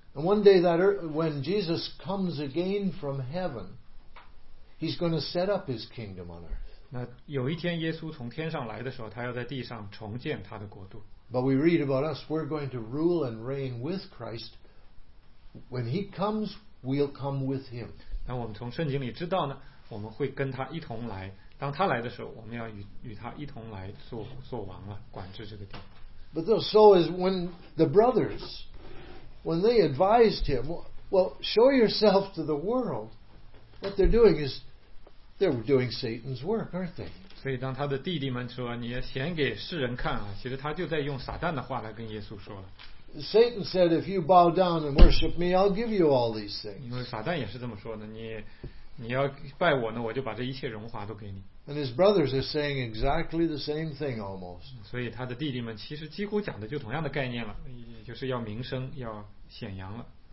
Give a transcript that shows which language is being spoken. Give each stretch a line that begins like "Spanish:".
English: And one day that when Jesus comes again from heaven, he's going to set up his kingdom on earth.
Chinese: 那有一天耶稣从天上来的时候，他要在地上重建他的国度。
English: But we read about us, we're going to rule and reign with Christ. When he comes, we'll come with him.
Chinese: 那我们从圣经里知道呢，我们会跟他一同来。当他来的时候，我们要 与他一同来 做王了，管制这个地。
English: But so is when the brothers, when they advised him, well, show yourself to the world. What they're doing is, they're doing Satan's work, aren't they?
Chinese: 所以当他的弟弟们说你要显给世人看啊，其实他就在用撒旦的话来跟耶稣说了。
English: Satan said, if you bow down and worship me, I'll give you all these things.
Chinese: 因为撒旦也是这么说的，你要拜我呢，我就把这一切荣华都给你。
English: And his brothers are saying exactly the same thing almost.
Chinese: 所以他的弟弟们其实几乎讲的就同样的概念了，也就是要名声，要显扬了。